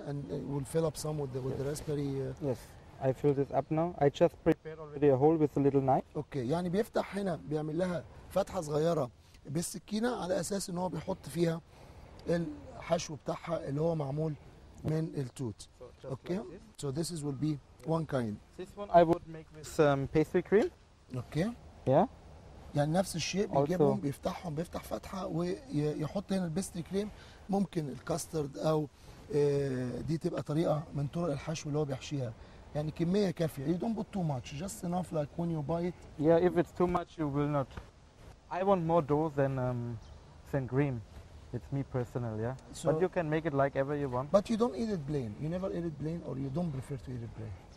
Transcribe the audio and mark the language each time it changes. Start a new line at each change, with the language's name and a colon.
English: And we'll fill up some with the, with yes. the raspberry... Yes, I fill this up now. I just prepared already a hole with a little knife.
Arabic: Okay, يعني بيفتح هنا, بيعمل لها فتحة صغيرة بالسكينة على أساس إن هو بيحط فيها الحشو بتاعها اللي هو معمول من التوت.
English: So okay, like so this is will be yes. one kind. This one I would make with some pastry cream. Okay yeah.
Arabic: يعني نفس الشيء بيجيبهم بيفتحهم بيفتح فتحه ويحط هنا البيستري كريم ممكن الكاسترد او دي تبقى طريقه من طرق الحشو اللي هو بيحشيها يعني كميه كافيه
English: you don't put too much just enough like when you buy it yeah if it's too much you will not I want more dough than cream it's me personally yeah so but you can make it like ever you want but you don't eat it plain you never eat it plain or you don't prefer to eat it plain